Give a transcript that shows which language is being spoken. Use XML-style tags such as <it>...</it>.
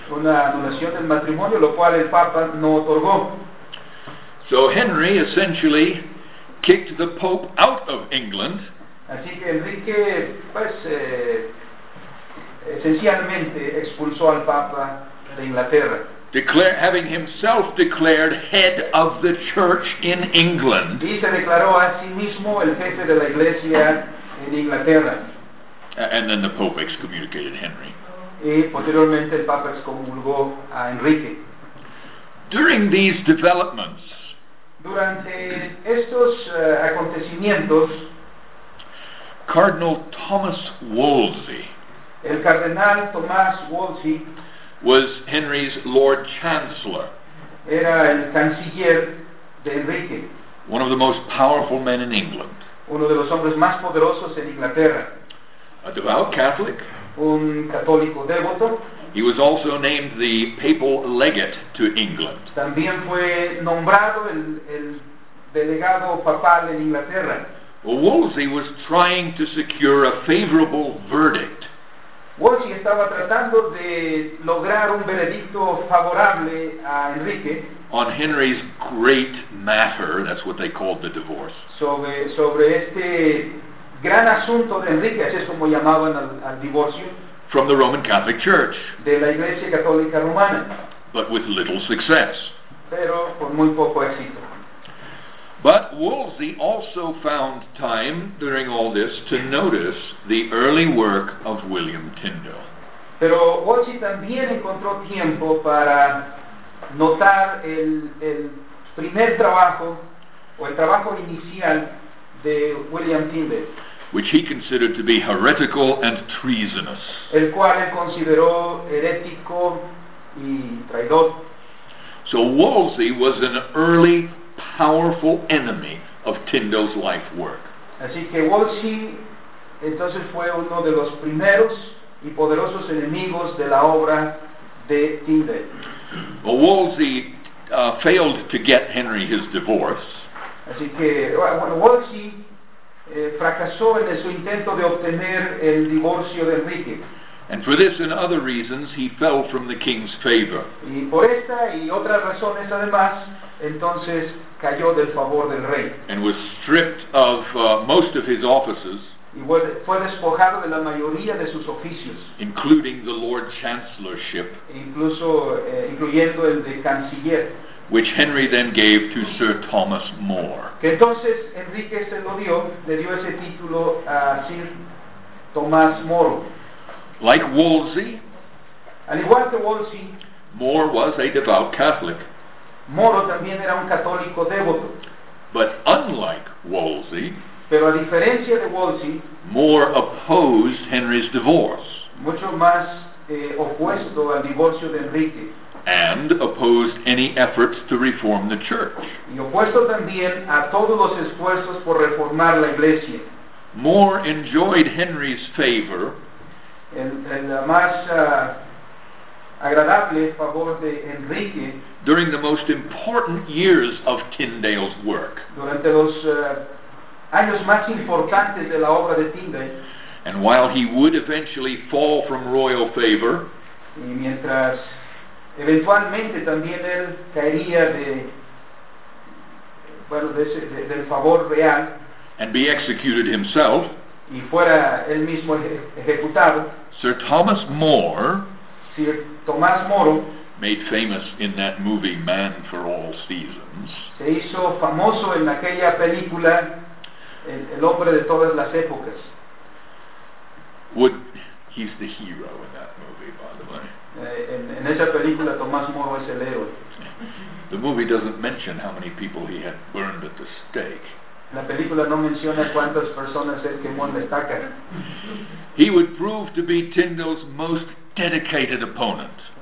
<es>Una anulación del matrimonio, lo cual el Papa no otorgó.</es> <en>So Henry essentially kicked the Pope out of England.</en> <es>Así que Enrique, pues, esencialmente expulsó al Papa de Inglaterra.</es> <en>Having himself declared head of the church in England.</en> <es>Y se declaró a sí mismo el jefe de la iglesia en Inglaterra.</es> <en>And then the Pope excommunicated Henry.</en> <es>Y posteriormente el Papa excomulgó a Enrique.</es> <en>During these developments,</en> <es>durante estos acontecimientos,</es> <en>Cardinal Thomas Wolsey,</en> <es>el Cardenal Tomás Wolsey,</es> <en>was Henry's Lord Chancellor.</en> <es>Era el canciller de Enrique.</es> <en>One of the most powerful men in England.</en> <es>Uno de los hombres más poderosos en Inglaterra.</es> <en>A devout Catholic.</en> <es>Un católico devoto.</es> <en>He was also named the papal legate to England.</en> <es>También fue nombrado el delegado papal en Inglaterra.</es> <en>Well, Wolsey was trying to secure a favorable verdict.</en> <es>Wolsey estaba tratando de lograr un veredicto favorable a Enrique.</es> <en>On Henry's great matter, that's what they called the divorce.</en> <es>Sobre este gran asunto de Enrique, así es como llamaban al divorcio.</es> <en>From the Roman Catholic Church.</en> <es>De la Iglesia Católica Romana.</es> <en>But with little success.</en> <es>Pero con muy poco éxito.</es> <en>But Wolsey also found time during all this to notice the early work of William Tyndale.</en> <es>Pero Wolsey también encontró tiempo para notar el primer trabajo o el trabajo inicial de William Tyndale,</es> <en>which he considered to be heretical and treasonous.</en> <es>El cual él consideró herético y traidor.</es> <en>So Wolsey was an early powerful enemy of Tyndale's life work.</en> <es>Así que Wolsey entonces fue uno de los primeros y poderosos enemigos de la obra de Tyndale.</es> <en>Well, Wolsey failed to get Henry his divorce.</en> <es>Así que Wolsey fracasó en su intento de obtener el divorcio de Enrique.</es> <en>And for this and other reasons, he fell from the king's favor.</en> <es>Y por esta y otras razones además, entonces cayó del favor del rey.</es> <en>And was stripped of most of his offices.</en> <es>Y fue despojado de la mayoría de sus oficios.</es> <en>Including the Lord Chancellorship.</en> <es>Incluso incluyendo el de canciller.</es> <en>Which Henry then gave to Sir Thomas More.</en> <es>Que entonces Enrique se lo dio, le dio ese título a Sir Thomas More.</es> <en>Like Wolsey,</en> <es>al igual que Wolsey,</es> <en>More was a devout Catholic.</en> <es>Moro también era un católico devoto.</es> <en>But unlike Wolsey,</en> <es>pero a diferencia de Wolsey,</es> <en>More opposed Henry's divorce.</en> <es>Mucho más opuesto al divorcio de Enrique.</es> <en>And opposed any efforts to reform the church.</en> <es>Y opuesto también a todos los esfuerzos por reformar la iglesia.</es> <en>More enjoyed Henry's favor.</en> <es>El más agradable favor de Enrique.</es> <en>During the most important years of Tyndale's work.</en> <es>Durante los años más importantes de la obra de Tyndale.</es> <en>And while he would eventually fall from royal favor.</en> <es>Y mientras eventualmente también él caería de, bueno, del favor real.</es> <en>And be executed himself.</en> <es>Y fuera él mismo ejecutado.</es> <en>Sir Thomas More.</en> <es>Sir Thomas More.</es> <en>Made famous in that movie Man for All Seasons.</en> <es>Se hizo famoso en aquella película el hombre de todas las épocas.</es> <en>Would he's the hero in that movie, by the way?</en> <es>En esa película Tomás Moro es el héroe.</es> <en>The movie doesn't mention how many people he had burned at the stake.</en> <es>La película no menciona cuántas personas él quemó en la estaca.</es> <en>He would prove to be Tyndale's most dedicated opponent.</en>